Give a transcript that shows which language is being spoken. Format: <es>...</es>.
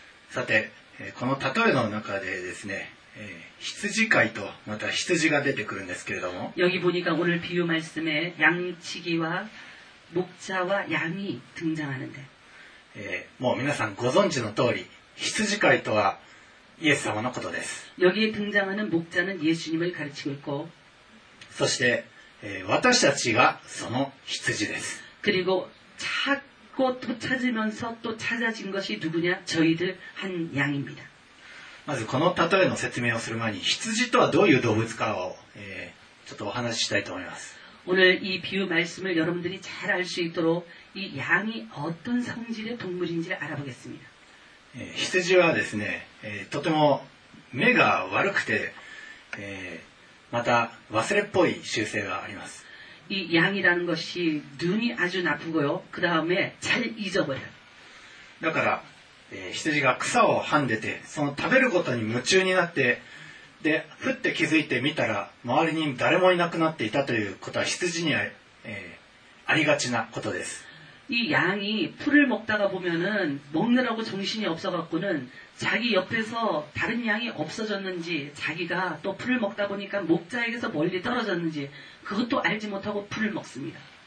<ja>さてこの例えの中でですね羊飼いとまた羊が出てくるんですけれども</ja> <ko>여기보니까오늘비유말씀에양치기와목자와양이등장하는데</ko> <ja>뭐皆さんご存知の通り羊飼いとはイエス様のことです</ja> <ko>여기에등장하는목자는예수님을가르치고있고</ko> <ja>そして私たちがその羊です</ja> <ko>그리고찾고또찾으면서또찾아진것이누구냐저희들한양입니다</ko> <ja>まずこの例えの説明をする前に羊とはどういう動物かをちょっとお話ししたいと思います</ja> <ko>오늘이비유말씀을여러분들이잘알수있도록이양이어떤성질의동물인지를알아보겠습니다</ko> <ja>羊はですね、とても目が悪くて、また忘れっぽい習性があります</ja> <ko>이양이라는것이눈이아주나쁘고요그다음에잘잊어버려</ko> <ja>だから、羊が草をはんでてその食べることに夢中になってで、ふって気づいてみたら、周りに誰もいなくなっていたということは、羊には、ありがちなことです。</ja> <ko>이양이풀을먹다가보면은、먹느라고정신이없어갖고는、자기옆에서다른양이없어졌는지、자기가또풀을먹다보니까목자에게서멀리떨어졌는지、그것도알지못하고풀을먹습니다。</ko>